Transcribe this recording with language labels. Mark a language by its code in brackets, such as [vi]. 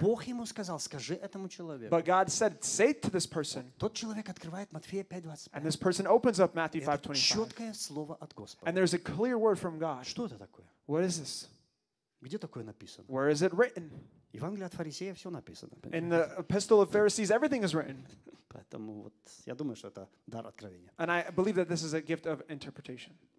[ru] Бог ему сказал, скажи этому человеку. [en] But God said, say to this person. [ru] Тот человек открывает Матфея 5:25. [en] And this person opens up Matthew 5:25. [ru] Четкое слово от Господа. [en] And there's a clear word from God. [ru] Что это такое? [en] What is this? [ru] Где такое написано? [en] Where is it written? [ru] Евангелие от фарисея все написано. [en] In the epistle of Pharisees, everything is written. [ru] Поэтому вот я думаю, что это дар откровения. [en] And I believe that this is a gift of interpretation.